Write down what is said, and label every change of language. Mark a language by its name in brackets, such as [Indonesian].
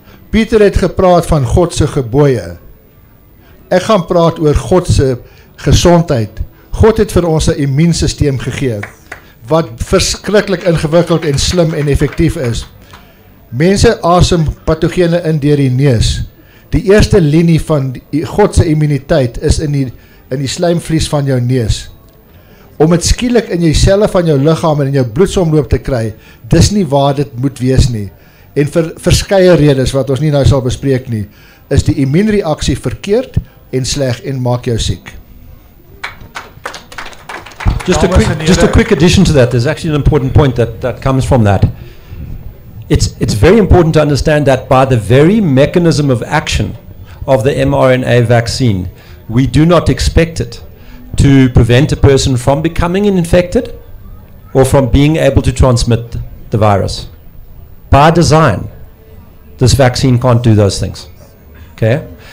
[Afrikaans] Pieter het gepraat van God se gebooie. Ek gaan praat oor God se gesondheid. God het vir ons 'n immuunsysteem gegee, wat verskriklik ingewikkeld en slim en effektief is. Mense asem patogene in deur die neus. Die eerste linie van God se immuniteit is in die slijmvlies van jou neus. Om dit skielik in jou selle van jou liggaam en in jou bloedsomloop te kry, dis nie waar dit moet wees nie. En vir verskeie redes wat ons nie nou sal bespreek nie, is die immuunreaksie verkeerd en sleg en maak jou siek. [English] Just a quick addition to that, there's actually an important point that comes from that. It's very important to understand that by the very mechanism of action of the mRNA vaccine, we do not expect it to prevent a person from becoming infected or from being able to transmit the virus. By design, this vaccine can't do those things. Okay?